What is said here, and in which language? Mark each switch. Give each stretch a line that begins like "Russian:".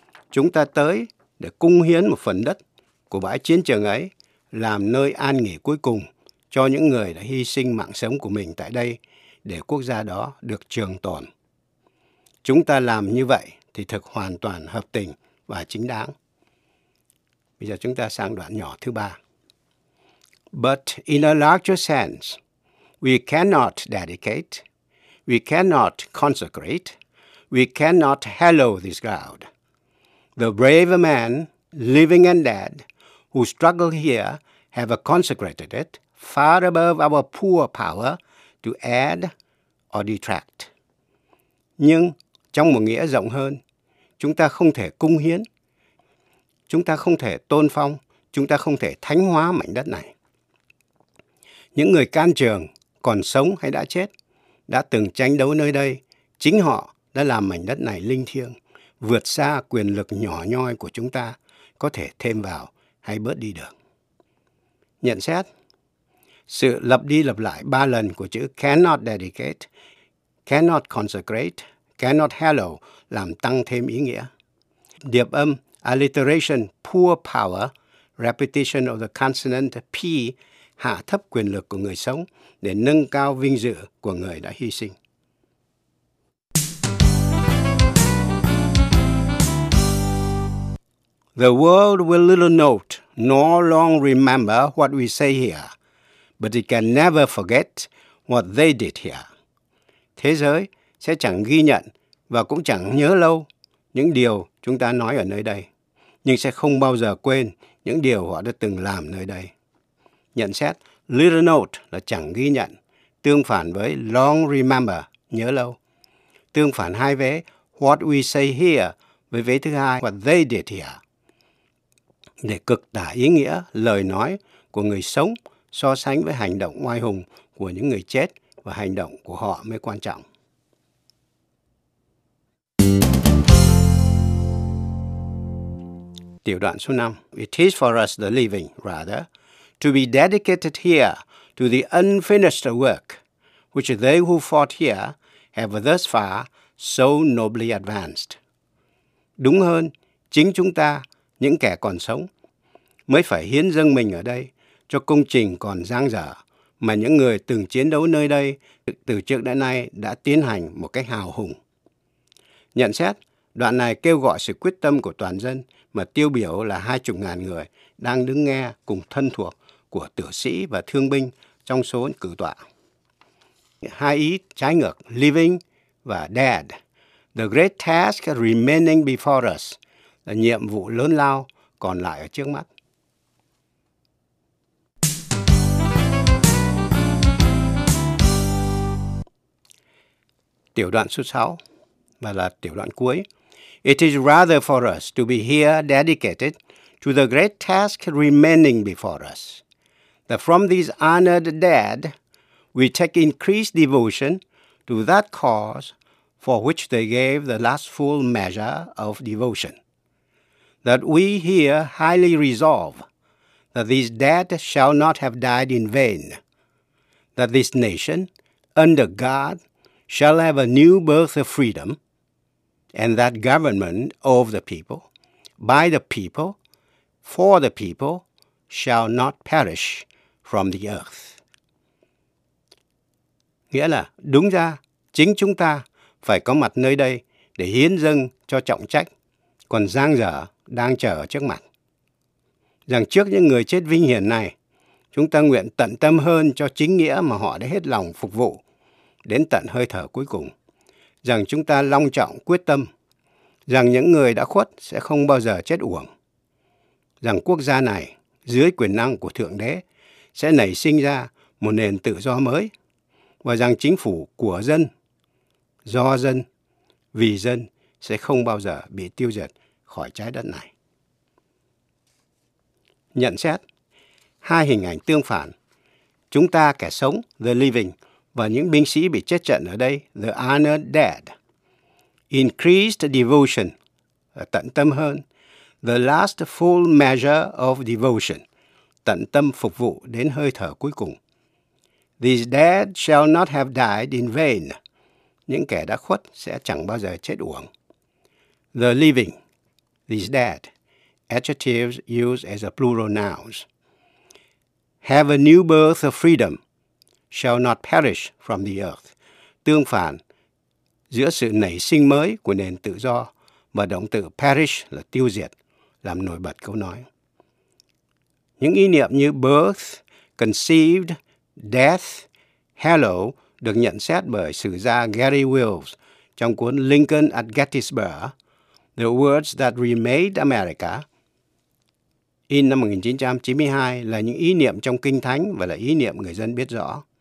Vietnamese: Chúng ta tới để cung hiến một phần đất của bãi chiến trường ấy làm nơi an nghỉ cuối cùng cho những người đã hy sinh mạng sống của mình tại đây để quốc gia đó được trường tồn. Chúng ta làm như vậy thì thực hoàn toàn hợp tình và chính đáng. Bây giờ chúng ta sang đoạn nhỏ thứ ba.
English: But in a larger sense, we cannot dedicate, we cannot consecrate, we cannot hallow this ground. The brave man, living and dead, who struggle here have consecrated it far above our poor power to add or detract.
Vietnamese: Nhưng trong một nghĩa rộng hơn, chúng ta không thể cung hiến, chúng ta không thể tôn phong, chúng ta không thể thánh hóa mảnh đất này. Những người can trường, còn sống hay đã chết, đã từng tranh đấu nơi đây, chính họ đã làm mảnh đất này linh thiêng, vượt xa quyền lực nhỏ nhoi của chúng ta có thể thêm vào hay bớt đi được. Nhận xét, sự lặp đi lặp lại ba lần của chữ
English: cannot dedicate, cannot consecrate, cannot hallow
Vietnamese: làm tăng thêm ý nghĩa. Điệp âm alliteration
English: poor power, repetition of the consonant P
Vietnamese: hạ thấp quyền lực của người sống để nâng cao vinh dự của người đã hy sinh.
English: The world will little note nor long remember what we say here, but it can never forget what they did here.
Vietnamese: Thế giới sẽ chẳng ghi nhận và cũng chẳng nhớ lâu những điều chúng ta nói ở nơi đây, nhưng sẽ không bao giờ quên những điều họ đã từng làm nơi đây. Nhận xét,
English: little note
Vietnamese: là chẳng ghi nhận, tương phản với
English: long remember,
Vietnamese: nhớ lâu. Tương phản hai vế,
English: what we say here,
Vietnamese: với vế thứ hai,
English: what they did here.
Vietnamese: Để cực tả ý nghĩa lời nói của người sống so sánh với hành động oai hùng của những người chết và hành động của họ mới quan trọng. Tiểu đoạn số 5.
English: It is for us the living, rather, to be dedicated here to the unfinished work which they who fought here have thus far so nobly advanced.
Vietnamese: Đúng hơn, chính chúng ta, những kẻ còn sống, mới phải hiến dâng mình ở đây cho công trình còn dang dở mà những người từng chiến đấu nơi đây từ trước đến nay đã tiến hành một cách hào hùng. Nhận xét, đoạn này kêu gọi sự quyết tâm của toàn dân mà tiêu biểu là 20.000 người đang đứng nghe cùng thân thuộc của tử sĩ và thương binh trong số cử tọa. Hai ý trái ngược, living và dead.
English: The great task remaining before us
Vietnamese: là nhiệm vụ lớn lao còn lại ở trước mắt. Tiểu đoạn số 6 và là tiểu đoạn cuối.
English: It is rather for us to be here dedicated to the great task remaining before us, that from these honored dead, we take increased devotion to that cause for which they gave the last full measure of devotion, that we here highly resolve that these dead shall not have died in vain, that this nation, under God, shall have a new birth of freedom, and that government of the people, by the people, for the people, shall not perish from the earth.
Vietnamese: Nghĩa là đúng ra chính chúng ta phải có mặt nơi đây để hiến dâng cho trọng trách còn giang dở đang chờ trước mặt. Rằng trước những người chết vinh hiển này, chúng ta nguyện tận tâm hơn cho chính nghĩa mà họ đã hết lòng phục vụ đến tận hơi thở cuối cùng. Rằng chúng ta long trọng quyết tâm rằng những người đã khuất sẽ không bao giờ chết uổng. Rằng quốc gia này dưới quyền năng của Thượng Đế sẽ nảy sinh ra một nền tự do mới và rằng chính phủ của dân, do dân, vì dân sẽ không bao giờ bị tiêu diệt khỏi trái đất này. Nhận xét, hai hình ảnh tương phản, chúng ta kẻ sống,
English: the living,
Vietnamese: và những binh sĩ bị chết trận ở đây,
English: the honored dead, increased devotion,
Vietnamese: tận tâm hơn,
English: the last full measure of devotion,
Vietnamese: tận tâm phục vụ đến hơi thở cuối cùng.
English: These dead shall not have died in vain.
Vietnamese: Những kẻ đã khuất sẽ chẳng bao giờ chết uổng.
English: The living, these dead, adjectives used as a plural nouns, have a new birth of freedom, shall not perish from the earth.
Vietnamese: Tương phản, giữa sự nảy sinh mới của nền tự do và động từ perish là tiêu diệt, làm nổi bật câu nói. Những ý niệm như birth, conceived, death, hallow được nhận xét bởi sử gia Gary Wills trong cuốn Lincoln at Gettysburg, The Words That Remade America, in năm 1992 là những ý niệm trong Kinh Thánh và là ý niệm người dân biết rõ.